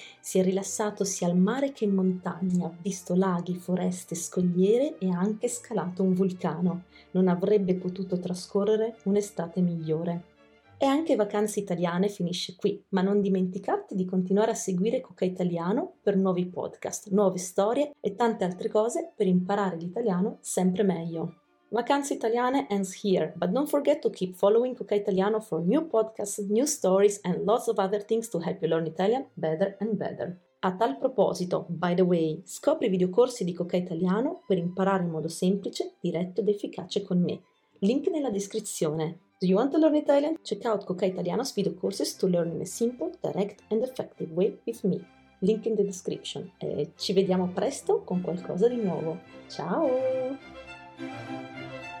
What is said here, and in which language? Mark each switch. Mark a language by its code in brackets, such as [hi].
[it] Si è rilassato sia al mare che in montagna, ha visto laghi, foreste, scogliere e ha anche scalato un vulcano. Non avrebbe potuto trascorrere un'estate migliore. E anche Vacanze Italiane finisce qui, ma non dimenticarti di continuare a seguire Cocai Italiano per nuovi podcast, nuove storie e tante altre cose per imparare l'italiano sempre meglio. [en] Vacanze Italiane ends here, but don't forget to keep following Cocai Italiano for new podcasts, new stories and lots of other things to help you learn Italian better and better. [it] A tal proposito, [en] by the way, [it] scopri i videocorsi di Cocai Italiano per imparare in modo semplice, diretto ed efficace con me. Link nella descrizione. [en] Do you want to learn Italian? Check out Cocai Italiano's videocourses to learn in a simple, direct and effective way with me. Link in the description. [it] E ci vediamo presto con qualcosa di nuovo. Ciao! [en] We'll be right back.